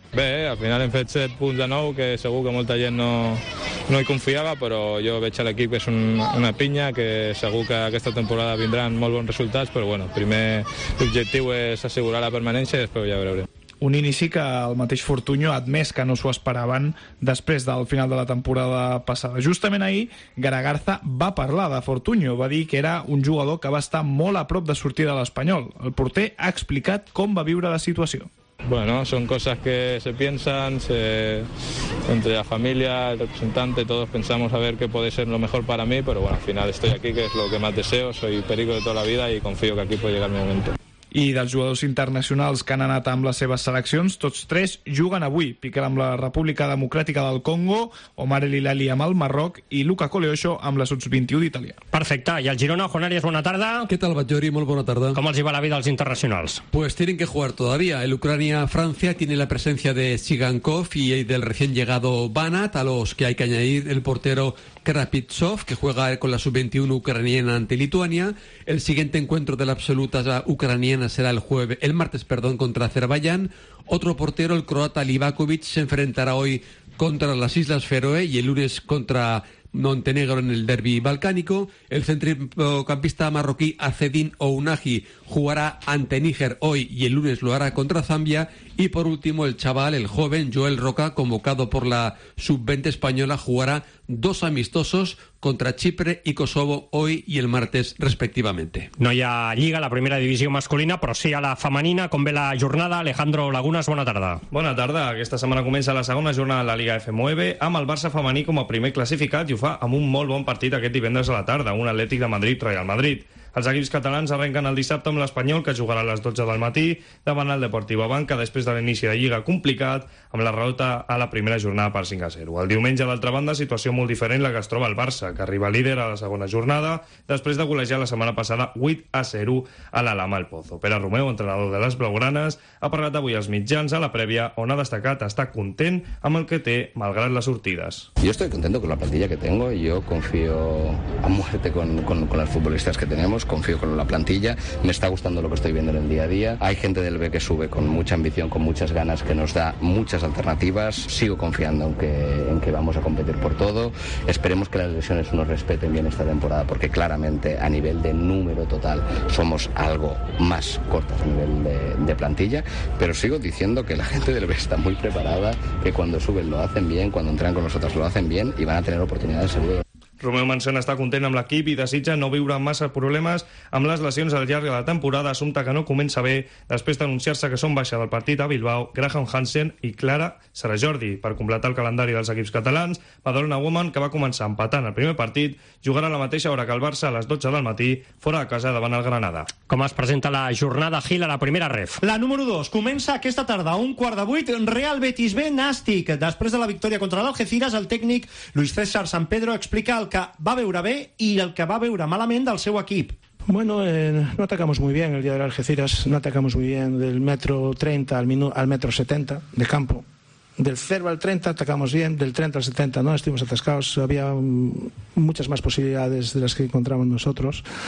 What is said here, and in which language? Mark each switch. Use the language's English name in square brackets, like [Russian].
[Catalan] Bé, al final hem fet 7 punts de nou, que segur que molta gent no hi confiava, però jo veig a l'equip que és una pinya, que segur que aquesta temporada vindran molt bons resultats, però bueno, primer objectiu és assegurar la permanència i després ja veurem. Un inici que el mateix Fortuño ha admès que no s'ho esperaven després del final de la temporada passada. Justament ahir, Garagarza va parlar de Fortuño, va dir que era un jugador que va estar molt a prop de sortir de l'Espanyol. El porter ha explicat com va viure la situació. [Spanish] Bueno, son cosas que se piensan, entre la familia, el representante, todos pensamos a ver qué puede ser lo mejor para mí, pero bueno, al final estoy aquí, que es lo que más deseo, soy perico de toda la vida y confío que aquí puede llegar mi momento. [Catalan] I dels jugadors internacionals que han anat amb les seves seleccions, tots tres juguen avui. Piqué amb la República Democràtica del Congo, Omar El Hilali amb el Marroc i Luca Coleoxo amb la Sub-21 d'Itàlia. Perfecte. I el Girona, Juan Arias, bona tarda. Què tal, Batllori? Molt bona tarda. Com els hi va la vida als internacionals? [Spanish] Pues tienen que jugar todavía. El Ucrania-Francia tiene la presencia de Sigankov y del recién llegado Banat, a los que hay que añadir el portero Krapitsov, que juega con la Sub-21 ucraniana ante Lituania. El siguiente encuentro de la absoluta ucraniana será el martes, contra Azerbaiyán. Otro portero, el croata Livakovic, se enfrentará hoy contra las Islas Feroe y el lunes contra Montenegro en el derbi balcánico. El centrocampista marroquí Acedin Ounahi jugará ante Níger hoy y el lunes lo hará contra Zambia. Y por último, el joven Joel Roca, convocado por la Sub-20 española, jugará dos amistosos contra Chipre y Kosovo hoy y el martes respectivamente. [Catalan] No hi ha lliga, la primera divisió masculina, però sí a la femenina. Com ve la jornada? Alejandro Lagunas, bona tarda. Bona tarda. Aquesta setmana comença la segona jornada de la Liga F9 amb el Barça femení com a primer classificat i ho fa amb un molt bon partit aquest divendres a la tarda, un Atlètic de Madrid-Real Madrid. Els equips catalans arrenquen el dissabte amb l'Espanyol, que jugarà a les 12 del matí davant el Deportivo Banca després de l'inici de Lliga complicat amb la derrota a la primera jornada per 5-0. El diumenge, d'altra banda, situació molt diferent la que es troba el Barça, que arriba líder a la segona jornada després de golejar la setmana passada 8-0 a la Lama al Pozo. Pere Romeu, entrenador de les Blaugranes, ha parlat avui als mitjans a la prèvia on ha destacat estar content amb el que té malgrat les sortides. [Spanish] Yo estoy contento con la plantilla que tengo. Yo confío a muerte con las futbolistas que tenemos. Confío con la plantilla, me está gustando lo que estoy viendo en el día a día. Hay gente del B que sube con mucha ambición, con muchas ganas, que nos da muchas alternativas. Sigo confiando en que vamos a competir por todo. Esperemos que las lesiones nos respeten bien esta temporada, porque claramente a nivel de número total somos algo más cortas a nivel de plantilla, pero sigo diciendo que la gente del B está muy preparada, que cuando suben lo hacen bien, cuando entran con nosotros lo hacen bien y van a tener oportunidades seguro. [Catalan] Romeu menciona estar content amb l'equip i desitja no viure massa problemes amb les lesions al llarg de la temporada, assumpte que no comença bé després d'anunciar-se que són baixa del partit a Bilbao Graham Hansen i Clara Serajordi. Per completar el calendari dels equips catalans, Badalona Woman, que va començar empatant el primer partit, jugarà a la mateixa hora que el Barça a les 12 del matí, fora de casa davant el Granada. Com es presenta la jornada, Gil, a la primera ref? La número 2 comença aquesta tarda a 7:45, Real Betis B Nàstic. Després de la victòria contra l'Algeciras, el tècnic Luis César San Pedro explica el que va veure bé i el que va veure malament del seu equip. [Spanish] Bueno, no atacamos muy bien el día del Algeciras, no atacamos muy bien del metro 30 al metro 70 de campo. Del 0 al 30 atacamos bien, del 30 al 70 no, estuvimos atascados, había muchas más posibilidades de las que encontramos nosotros.